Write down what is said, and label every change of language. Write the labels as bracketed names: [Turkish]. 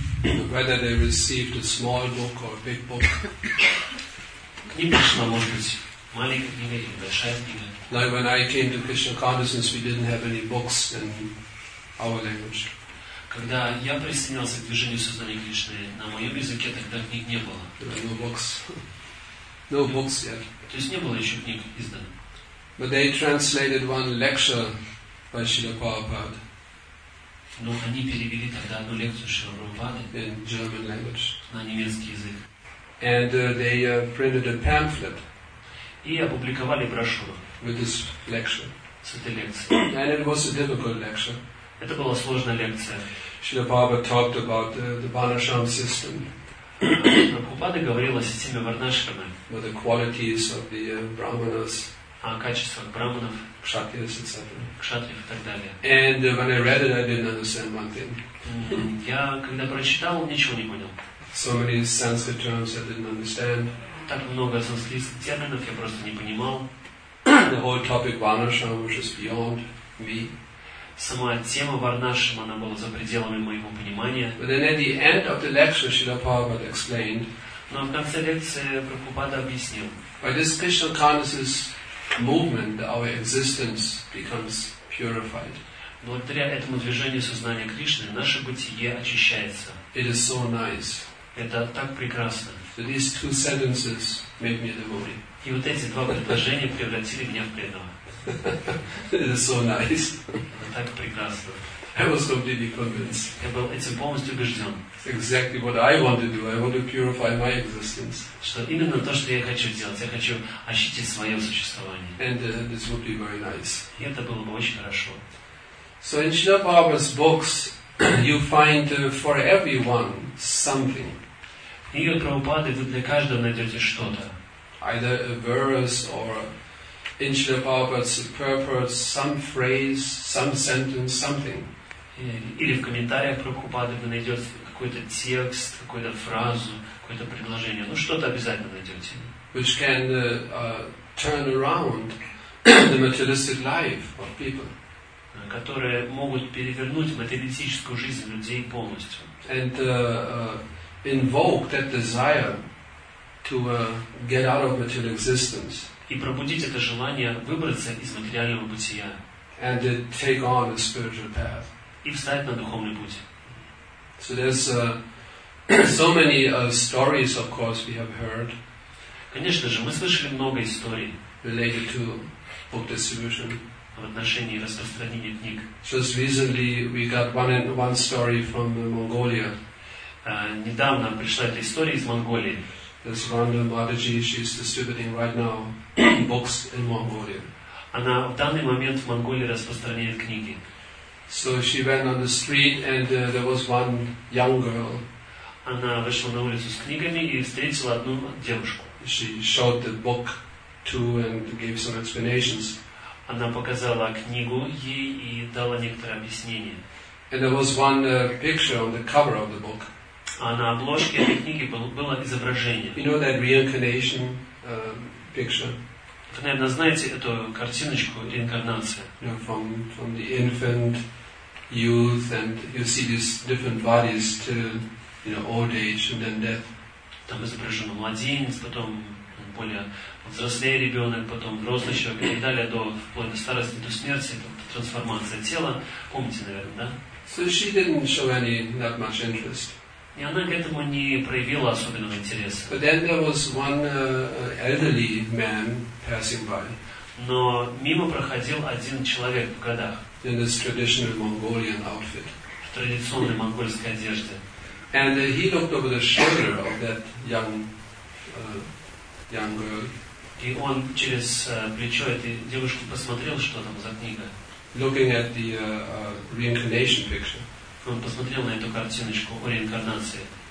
[English] Whether they received a small book or a big book. [Russian] К ним пришла, может быть, маленькая книга или большая книга. [English] Like when I came to Krishna consciousness, we didn't have any books in our language. [Russian] Когда я присоединился к движению сознания Кришны, на моем языке тогда книг не было. [English] There were no books. No books yet. [Russian] То есть не было еще книг издан. [English] But they translated one lecture by Srila Prabhupada. [Russian] Но они перевели тогда одну лекцию Шрилы Прабхупады. [English] In German language. [Russian] На немецкий язык. [English] And they printed a pamphlet. [Russian] И опубликовали брошюру. [English] With this lecture. [Russian] С этой лекцией. [English] And it was a difficult lecture. [Russian] Это была сложная лекция. [English] Srila Prabhupada talked about the Varnashram system. [Russian] Прабхупада говорил о системе Варнашрамы. [English] About the qualities of the Brahmanas. [Russian] О качествах Брахманов. Кшатриев, [English] etc. [Russian] Кшатриев и так далее. [English] And when I read it, I didn't understand one thing. [Russian] Я когда прочитал, ничего не понял. [English] So many Sanskrit terms I didn't understand. [Russian] Так много санскритских терминов я просто не понимал. [English] The whole topic Varnashram was just beyond me. [Russian] Сама тема Варнашрама, она была за пределами моего понимания. [English] But then at the end of the lecture, Srila Prabhupada explained. [Russian] Но в конце лекции Прабхупада объяснил. [English] By this Krishna consciousness movement, our existence becomes purified. [Russian] Благодаря этому движению сознания Кришны наше бытие очищается. [English] It is so nice. [Russian] Это так прекрасно. [English] So these two sentences made me a devotee. [Russian] И вот эти два предложения превратили меня в преданного. [English] It is so nice. [Russian] Это так прекрасно. [English] I was completely convinced. [Russian] Я был этим полностью убежден. [English] Exactly what I want to do. I want to purify my existence. [Russian] Что именно то, что я хочу сделать. Я хочу ощутить свое существование. [English] And this would be very nice. [Russian] И это было бы очень хорошо. [English] So in Srila Prabhupada's books, you find for everyone something. [Russian] В книгах Прабхупады вы для каждого найдете что-то. [English] Either a verse or in Srila Prabhupada's purport, some phrase, some sentence, something. [Russian] Или в комментариях Прабхупады вы найдете какой-то текст, какую-то фразу, какое-то предложение. Ну, что-то обязательно найдете. [English] Which can turn around the materialistic life of people. [Russian] Которые могут перевернуть материалистическую жизнь людей полностью. [English] And invoke that desire to get out of material existence. [Russian] И пробудить это желание выбраться из материального бытия. [English] And take on a spiritual path. [Russian] И встать на духовный путь. [English] So there's so many stories, of course, we have heard. [Russian] Конечно же, мы слышали много историй. [English] Related to book distribution. [Russian] В отношении распространения книг. [English] Just recently, we got one story from Mongolia. [Russian] Недавно пришла эта история из Монголии. [English] This Ranga Madhaji, she's distributing right now books in Mongolia. [Russian] Она в данный момент в Монголии распространяет книги. [English] So she went on the street and there was one young girl. [Russian] Она вышла на улицу с книгами и встретила одну девушку. [English] She showed the book to and gave some explanations. [Russian] Она показала книгу ей и дала некоторые объяснения. [English] And there was one picture on the cover of the book. [Russian] А на обложке этой книги было изображение. [English] You know that reincarnation picture? [Russian] Вы, наверное, знаете эту картиночку реинкарнации. [English] You know, from the infant, youth, and you see these different bodies till, you know, old age and then death. [Russian] Там изображено младенец, потом более взрослый ребенок, потом взрослый человек и так далее, до вплоть до старости, до смерти, трансформация тела. Помните, наверное, да? [English] So she didn't show any that much interest. [Russian] И она к этому не проявила особенного интереса. [English] But then there was one elderly man passing by. [Russian] Но мимо проходил один человек в годах. [English] In his traditional Mongolian outfit. [Russian] В традиционной монгольской одежде. [English] And he looked over the shoulder of that young girl. [Russian] И он через плечо этой девушки посмотрел, что там за книга. [English] Looking at the reincarnation picture. [Russian] Он посмотрел на эту картиночку о реинкарнации.